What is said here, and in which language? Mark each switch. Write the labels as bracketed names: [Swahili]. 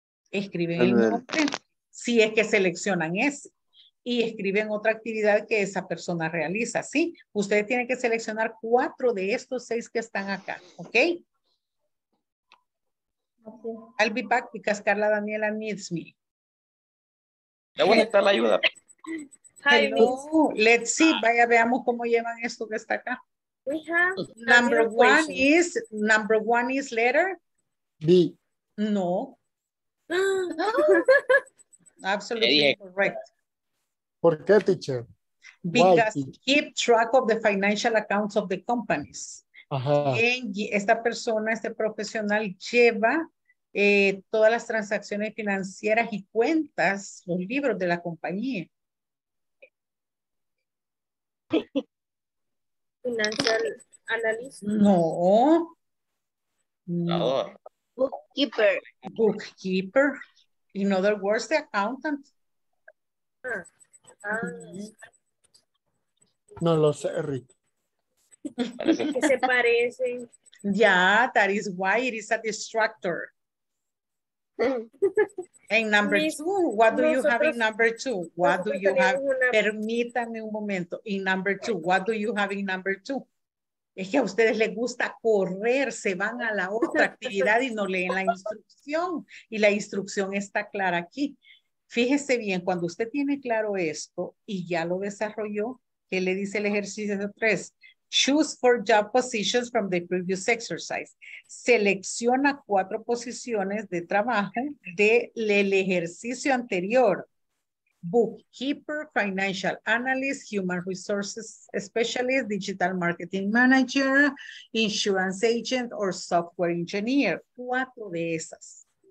[Spanish] Escriben el nombre, si es que seleccionan ese. Y escriben otra actividad que esa persona realiza, ¿sí? Ustedes tienen que seleccionar cuatro de estos seis que están acá, ¿ok? [English] Okay. I'll be back because Carla Daniela needs me. [Spanish] Ya voy a necesitar la ayuda. [English] Hello. Let's see. [Spanish] Vaya, veamos cómo llevan esto que está acá. [English] We have number one is, number one is letter? B. No. Absolutely correct. [Spanish] ¿Por qué, teacher? [English] Because keep track of the financial accounts of the companies. Ajá. [Spanish] Esta persona, este profesional lleva todas las transacciones financieras y cuentas, los libros de la compañía. [English] Financial analyst. No. Bookkeeper. Bookkeeper. In other words, the accountant. [Spanish] No lo sé, Rick. Que se parecen. [English] Yeah, that is why it is a distractor. En number two, what do you have in number two? What do you have? [Spanish] Permítame un momento. [English] In number two, what do you have in number two? [Spanish] Es que a ustedes les gusta correr, se van a la otra actividad y no leen la instrucción. Y la instrucción está clara aquí. Fíjese bien, cuando usted tiene claro esto y ya lo desarrolló, ¿qué le dice el ejercicio de tres? [English] Choose four job positions from the previous exercise. [Spanish] Selecciona cuatro posiciones de trabajo del ejercicio anterior. [English] Bookkeeper, financial analyst, human resources specialist, digital marketing manager, insurance agent, or software engineer. [Spanish] Cuatro de esas.